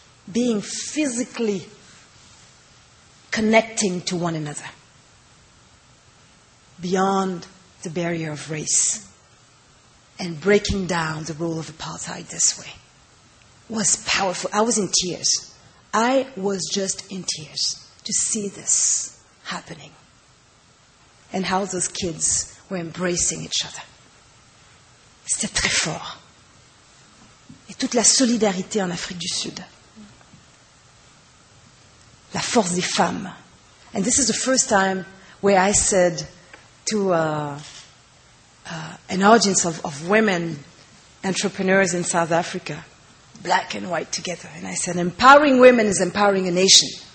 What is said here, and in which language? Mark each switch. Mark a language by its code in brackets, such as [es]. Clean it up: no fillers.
[en] Being physically connecting to one another beyond the barrier of race and breaking down the rule of apartheid this way was powerful. I was in tears. I was just in tears to see this happening and how those kids were embracing each other. [fr] C'était très fort. Et toute la solidarité en Afrique du Sud. La force des femmes. [en] And this is the first time where I said to an audience of women entrepreneurs in South Africa, black and white together, and I said, empowering women is empowering a nation.